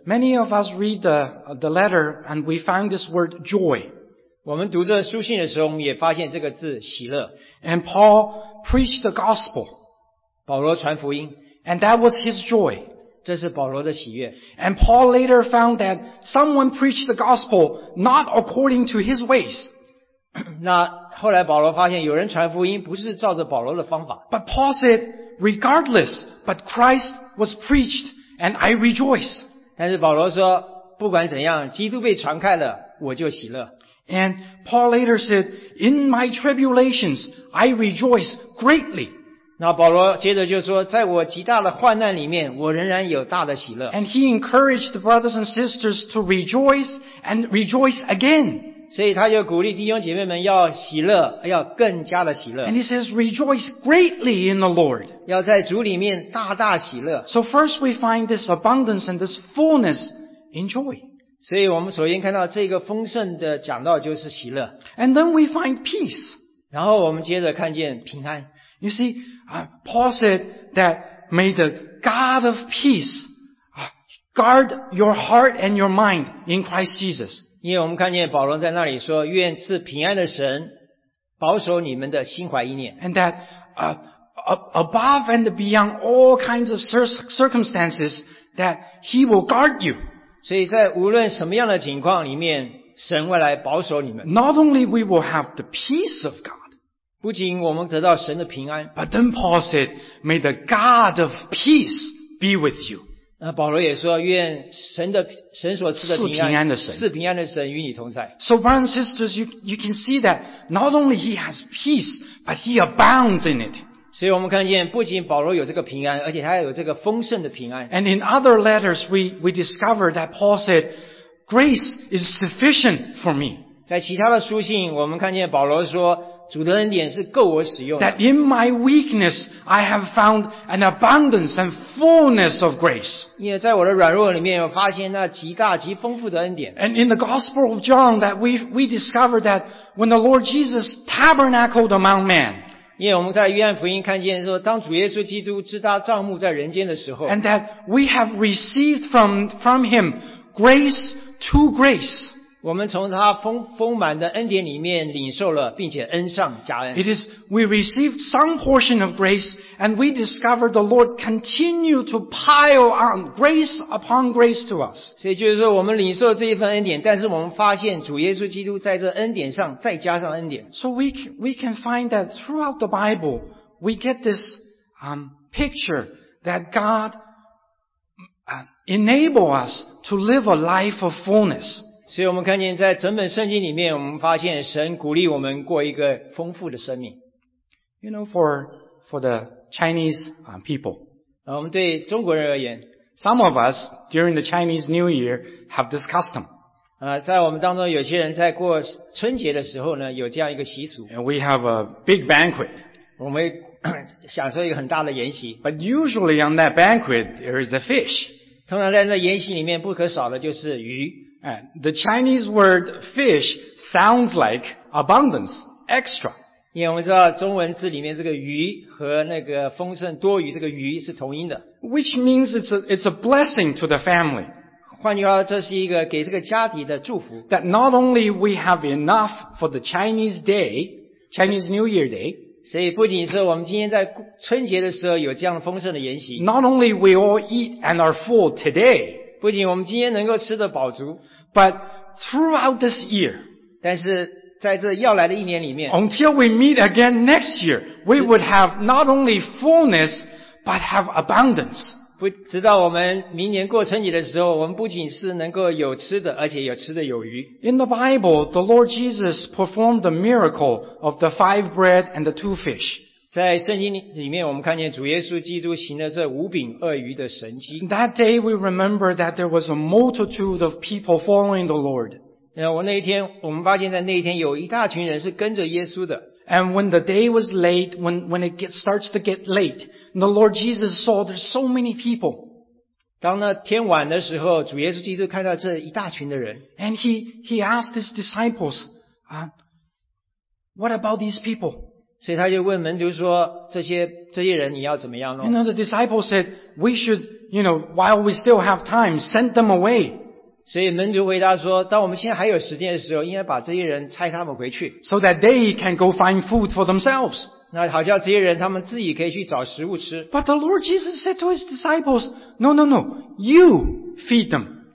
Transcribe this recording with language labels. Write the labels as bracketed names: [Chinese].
[English] Many of us read the letter and we find this word joy. [Chinese] 我们读这书信的时候我们也发现这个字喜乐。 [English] And Paul preached the gospel. [Chinese] 保罗传福音。 [English] And that was his joy. [Chinese] 这是保罗的喜悦。 [English] And Paul later found that someone preached the gospel not according to his ways. [Chinese] 那后来保罗发现有人传福音不是照着保罗的方法。 [English] But Paul said, regardless, but Christ was preached And I rejoice. [Chinese] 但是保罗说，不管怎样，基督被传开了，我就喜乐。 [English] And Paul later said, in my tribulations, I rejoice greatly. [Chinese] 那保罗接着就说，在我极大的患难里面，我仍然有大的喜乐。 [English] And he encouraged the brothers and sisters to rejoice and rejoice again. [Chinese] 所以他就鼓励弟兄姐妹们要喜乐，要更加的喜乐。 [English] And he says, rejoice greatly in the Lord. [Chinese] 要在主里面大大喜乐。 [English] So first we find this abundance and this fullness in joy. [Chinese] 所以我们首先看到这个丰盛的讲道就是喜乐。 [English] And then we find peace. [Chinese] 然后我们接着看见平安。 [English] You see, Paul said that may the God of peace guard your heart and your mind in Christ Jesus. [Chinese] 因为我们看见保罗在那里说，愿赐平安的神保守你们的心怀意念。 [English] And that, above and beyond all kinds of circumstances that he will guard you. [Chinese] 所以在无论什么样的情况里面，神会来保守你们。 [English] Not only we will have the peace of God, [Chinese] 不仅我们得到神的平安。 [English] But then Paul said, may the God of peace be with you. [Chinese] 保罗也说，愿神的神所赐的平安，赐平安的神，赐平安的神与你同在。 [English] So brothers and sisters, you can see that not only he has peace, but he abounds in it. [Chinese] 所以我们看见不仅保罗有这个平安，而且他有这个丰盛的平安。 [English] And in other letters, we discover that Paul said, grace is sufficient for me. [Chinese] 在其他的书信，我们看见保罗说，主的恩典是够我使用的。 [English] That in my weakness, I have found an abundance and fullness of grace. [Chinese] 因为在我的软弱里面，我发现那极大极丰富的恩典。 [English] And in the Gospel of John, that we discover that when the Lord Jesus tabernacled among men, [Chinese] 因为我们在约翰福音看见说，当主耶稣基督支搭帐幕在人间的时候 [English] ，and that we have received from him grace to grace， [Chinese] 我们从他丰满的恩典里面领受了，并且恩上加恩。 [English] It is we received some portion of grace， and we discovered the Lord continue to pile on grace upon grace to us。 [Chinese] 所以就是说，我们领受这一份恩典，但是我们发现主耶稣基督在这恩典上再加上恩典。 [English] So we can find that throughout the Bible we get this picture that God enable us to live a life of fullness。 [Chinese] 所以我们看见在整本圣经里面，我们发现神鼓励我们过一个丰富的生命。 [English] You know, for the Chinese people, [Chinese] 我们对中国人而言 [English] ，some of us during the Chinese New Year have this custom. [Chinese] 在我们当中有些人在过春节的时候呢，有这样一个习俗。 [English] And we have a big banquet. [Chinese] 我们享受一个很大的宴席。 [English] But usually on that banquet there is a fish. [Chinese] 通常在那宴席里面不可少的就是鱼。 [English] And the Chinese word fish sounds like abundance, extra. [Chinese] 因为我们知道中文字里面这个鱼和那个丰盛多余这个鱼是同音的。 [English] Which means it's a blessing to the family. [Chinese] 换句话说这是一个给这个家庭的祝福。 [English] That not only we have enough for the Chinese day, Chinese New Year day, [Chinese] 所以不仅是我们今天在春节的时候有这样丰盛的筵席。 [English] Not only we all eat and are full today, [Chinese] 不仅我们今天能够吃得饱足 [English] ，but throughout this year， [Chinese] 但是在这要来的一年里面 [English] ，until we meet again next year， we would have not only fullness but have abundance。 [Chinese] 不，直到我们明年过春节的时候，我们不仅是能够有吃的，而且有吃的有余。 [English] In the Bible, the Lord Jesus performed the miracle of the five bread and the two fish。 [Chinese] 在圣经里面我们看见主耶稣基督行了这五饼二鱼的神迹。 [English] That day we remember that there was a multitude of people following the Lord. [Chinese] 我们发现在那一天有一大群人是跟着耶稣的。 [English] And when the day was late, when it starts to get late, the Lord Jesus saw there's so many people. [Chinese] 当那天晚的时候主耶稣基督看到这一大群的人。 [English] And he asked his disciples, what about these people? [Chinese] 所以他就问门徒说这些人你要怎么样弄 [English] You know, the disciples said, we should, you know, while we still have time, send them away. [Chinese] 所以门徒回答说当我们现在还有时间的时候应该把这些人差他们回去。 [English] So that they can go find food for themselves. [Chinese] 那好像这些人他们自己可以去找食物吃。 [English] But the Lord Jesus said to his disciples, no, no, no, you feed them.